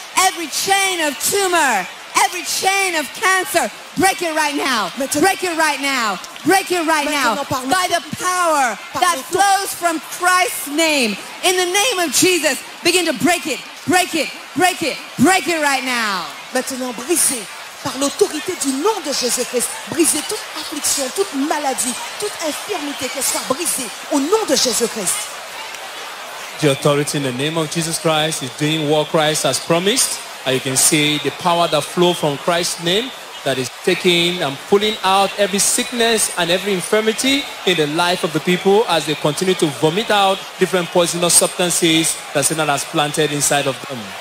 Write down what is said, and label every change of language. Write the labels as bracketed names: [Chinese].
[English] Every chain of tumor. Every chain of cancer. Break it right now. Break it right now. Break it right now. By the power that flows from Christ's name. In the name of Jesus, begin to break it. Break it. Break it. Break it right now. [French] Maintenant, brisez par l'autorité du nom de Jésus-Christ. Brisez toute affliction, toute maladie, toute infirmité, qu'elle soit brisée au nom de Jésus-Christ. [English] The authority in the name of Jesus Christ is doing what Christ has promised. And you can see the power that flows from Christ's name that is taking and pulling out every sickness and every infirmity in the life of the people as they continue to vomit out different poisonous substances that Satan has planted inside of them.